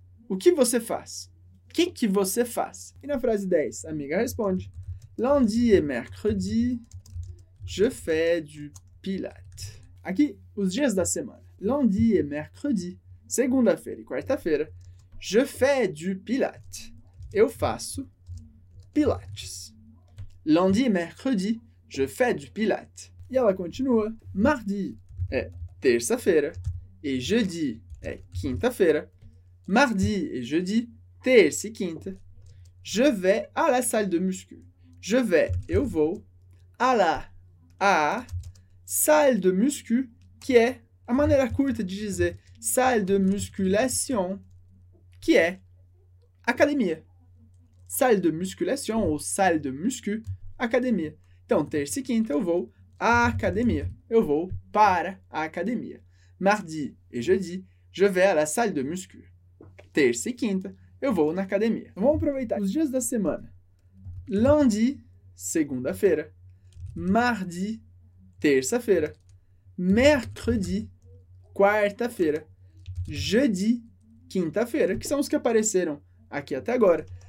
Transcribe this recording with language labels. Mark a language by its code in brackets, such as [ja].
[pt] O que você faz? O que, que você faz? E na frase 10, a amiga responde: [fr] Lundi et mercredi, je fais du pilates. [pt] Aqui, os dias da semana. [fr] Lundi et mercredi, [pt] segunda-feira e quarta-feira, [fr] je fais du pilates. [pt] Eu faço pilates. [fr] Lundi et mercredi, je fais du pilates. [pt] E ela continua: Mardi é terça-feira, et jeudi é quinta-feira. [fr] Mardi et jeudi, [pt] terça e quinta, [fr] je vais à la salle de muscu. Je vais, [pt] eu vou, à la, à, salle de muscu, que é a maneira curta de dizer salle de musculation, que é academia. Salle de musculation ou salle de muscu, academia. Então, terça e quinta, eu vou à academia. Eu vou para a academia. [fr] Mardi et jeudi, je vais à la salle de muscu. [pt] Terça e quinta, eu vou na academia. Vamos aproveitar os dias da semana. Lundi, segunda-feira. Mardi, terça-feira. Mercredi, quarta-feira. Jeudi, quinta-feira, que são os que apareceram aqui até agora.